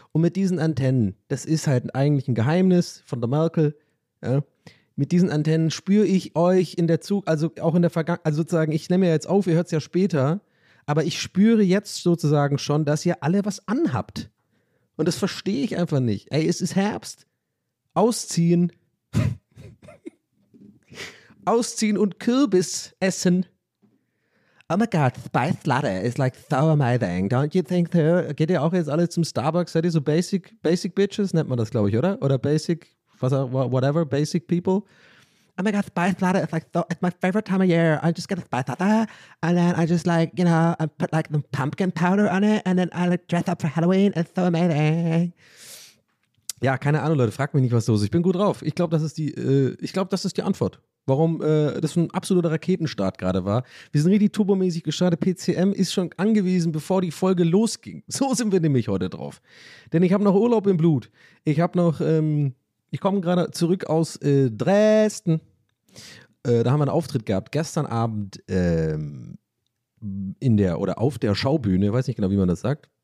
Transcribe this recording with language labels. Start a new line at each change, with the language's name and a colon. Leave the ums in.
German: Und mit diesen Antennen, das ist halt eigentlich ein Geheimnis von der Merkel, ja, mit diesen Antennen spüre ich euch in der Zug, also auch in der Vergangenheit, also sozusagen, ich nehme ja jetzt auf, ihr hört es ja später, aber ich spüre jetzt sozusagen schon, dass ihr alle was anhabt. Und das verstehe ich einfach nicht. Ey, es ist Herbst. Ausziehen. Ausziehen und Kürbis essen.
English: Oh my god, spiced latte is like so amazing. Don't you think so?
German: Geht ihr auch jetzt alle zum Starbucks? Seid ihr so basic, basic bitches? Nennt man das, glaube ich, oder? Oder basic, was, auch-
English: whatever, basic people? oh my god, spice ladder is like so, it's my favorite time of year. I just get a spice ladder and then I just like, you know, I put like the pumpkin powder on it and then I like dress up for Halloween. It's so amazing.
German: Ja, keine Ahnung, Leute, fragt mich nicht, was los ist. Ich bin gut drauf. Ich glaube, das ist die, äh, ich glaube, das ist die Antwort. Warum äh, das ein absoluter Raketenstart gerade war. Wir sind richtig turbomäßig gestartet. PCM ist schon angewiesen, bevor die Folge losging. So sind wir nämlich heute drauf. Denn ich habe noch Urlaub im Blut. Ich habe noch, ähm, ich komme gerade zurück aus äh, Dresden äh, da haben wir einen Auftritt gehabt, gestern Abend ähm, in der oder auf der Schaubühne, weiß nicht genau, wie man das sagt.